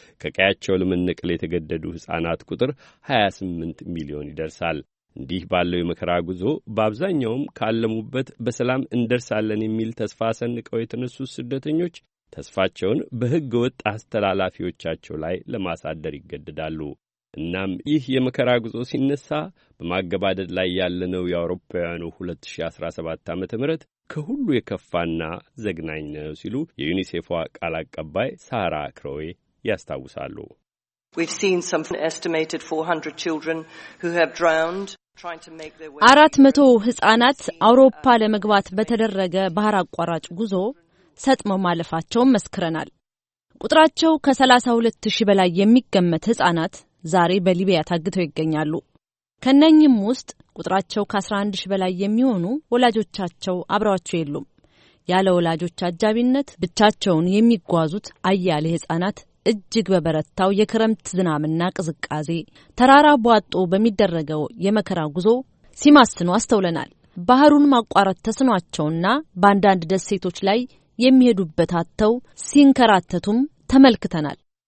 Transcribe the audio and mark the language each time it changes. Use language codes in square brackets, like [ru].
[am] ከቀያቸው ለመነቀል የተገደዱ ሕፃናት ቁጥር 28 ሚሊዮን ይደርሳል። እንዲህ ባለው የመከራ ጉዞ በአብዛኛውም ካለሙበት በሰላም እንደርሳለን የሚል ተስፋ ሰንቀው የተነሱ ስደተኞች ተስፋቸውን በሕገ ወጥ አስተላላፊዎቻቸው ላይ ለማሳደር ይገደዳሉ። እናም ይህ የመከራ ጉዞ ሲነሳ በማገባደድ ላይ ያለነው የአውሮፓውያኑ 2017 ዓመተ ምህረት ከሁሉ የከፋና ዘግናኝ ነው ሲሉ የዩኒሴፏ ቃል አቀባይ ሳራ ክሮዌ ያስታውሳሉ። [en] We've seen some estimated 400 children who have drowned trying to make their way [am] 400 ህፃናት አውሮፓ ለመግባት በተደረገ ባህር አቋራጭ ጉዞ ሰጥሞ ማለፋቸው መስክረናል። ቁጥራቸው ከ32000 በላይ የሚገመት ህፃናት ዛሬ በሊቢያ ታግተው ይገኛሉ። ከነኝም ውስጥ ቁጥራቸው ከ11000 በላይ የሚሆኑ ወላጆቻቸው አብራቸው የሉም። ያለ ወላጆች አጃቢነት ብቻቸውን የሚጓዙት አያሌ ህፃናት እጅግ በበረታው የክረምት ዝናብና ቅዝቃዜ ተራራ ቧጦ በሚደረገው የመከራ ጉዞ ሲማስኑ አስተውለናል። ባህሩን ማቋረጥ ተስኗቸውና ባንዳንድ ደሴቶች ላይ የሚሄዱበት አጥተው ሲንከራተቱም ተመልክተናል።